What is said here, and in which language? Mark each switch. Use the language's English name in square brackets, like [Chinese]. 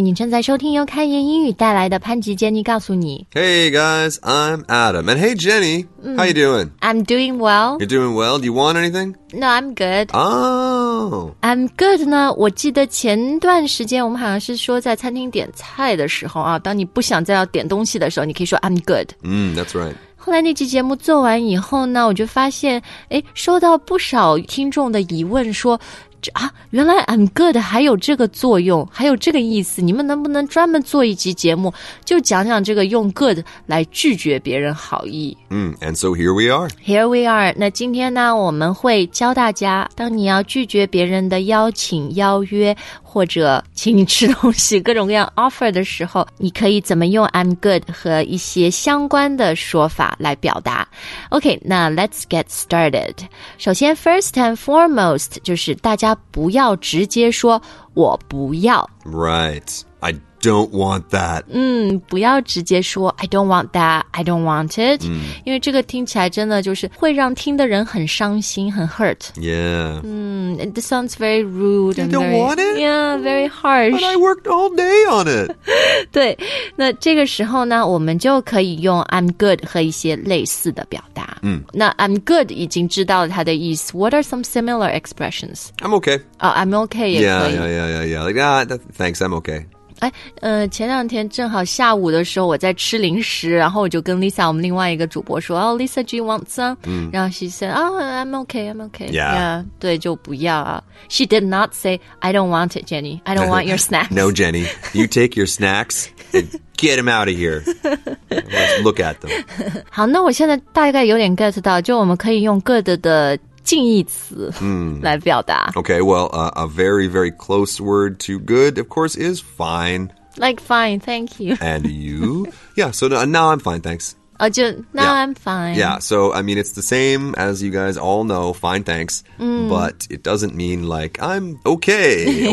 [Chinese] 你正在收听由开言英语带来的潘吉 Jenny 告诉你。 [English] Hey guys, I'm Adam. And hey Jenny,、how you doing? I'm doing well. You're doing well? Do you want anything? No, I'm good. Oh! I'm good [Chinese] 呢，我记得前段时间我们好像是说在餐厅点菜的时候啊，当你不想再要点东西的时候，你可以说 I'm good. [English] That's right. [Chinese] 后来那期节目做完以后呢，我就发现，哎，收到不少听众的疑问说，啊，原来 [English] I'm good [Chinese] 还有这个作用，还有这个意思，你们能不能专门做一期节目，就讲讲这个用 good 来拒绝别人好意。 [English] And so here we are. Here we are. [Chinese] 那今天呢，我们会教大家，当你要拒绝别人的邀请、邀约，或者请你吃东西，各种各样 offer 的时候，你可以怎么用 [English] I'm good [Chinese] 和一些相关的说法来表达。 [English] OK, [Chinese] 那 [English] let's get started. [Chinese] 首先 [English] first and foremost, [Chinese] 就是大家不要直接说我不要。 [English] Right, I don't want that. [Chinese] 不要直接说 [English] I don't want that, I don't want it. [Chinese] 因为这个听起来真的就是会让听的人很伤心，很 hurt. [English] Yeah. This sounds very rude. You don't want it? Yeah, very harsh. But I worked all day on it. [Chinese] 对，那这个时候呢，我们就可以用 [English] I'm good [Chinese] 和一些类似的表达。那 [English] I'm good [Chinese] 已经知道了它的意思。 [English] What are some similar expressions? I'm okay. Oh, I'm okay [Chinese] 也可以。 [English] Yeah. Like, thanks, I'm okay. [Chinese] 前两天正好下午的时候我在吃零食，然后我就跟 Lisa 我们另外一个主播说 [English] Oh, Lisa, do you want some? [Chinese] 然后 [English] she said, Oh, I'm okay. Yeah. [Chinese] 对，就不要啊。 [English] She did not say, I don't want it, Jenny. I don't want your snacks. No, Jenny. You take your snacks and get them out of here. Let's look at them. [Chinese] 好，那我现在大概有点 get 到，就我们可以用 good 的近义词来表达。 [English] Okay, well, a very, very close word to good, of course, is fine. Like fine, thank you. And you? Yeah, so now I'm fine, thanks. Oh, just now I'm fine. Yeah, so, I mean, it's the same as you guys all know, fine, thanks. But it doesn't mean like I'm okay.